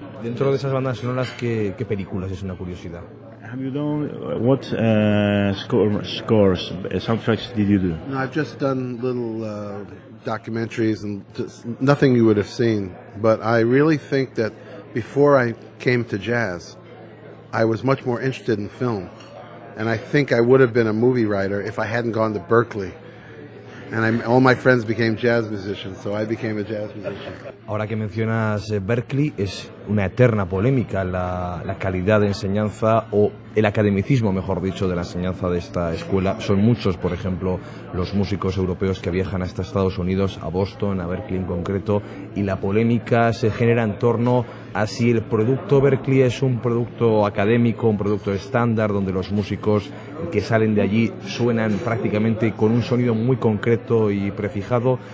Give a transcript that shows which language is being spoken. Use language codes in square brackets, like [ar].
[es] Dentro de esas bandas sonoras, ¿qué películas? Es una curiosidad. [en] Have you done what scores, soundtracks did you do? No, I've just done little documentaries and just nothing you would have seen. But I really think that before I came to jazz, I was much more interested in film. And I think I would have been a movie writer if I hadn't gone to Berkeley. And all my friends became jazz musicians, so I became a jazz musician. [es] Ahora que mencionas Berkeley, es una eterna polémica la calidad de enseñanza o el academicismo, mejor dicho, de la enseñanza de esta escuela. Son muchos, por ejemplo, los músicos europeos que viajan hasta Estados Unidos, a Boston, a Berkeley en concreto, y la polémica se genera en torno a si el producto Berkeley es un producto académico, un producto estándar, donde los músicos que salen de allí suenan prácticamente con un sonido muy concreto y prefijado.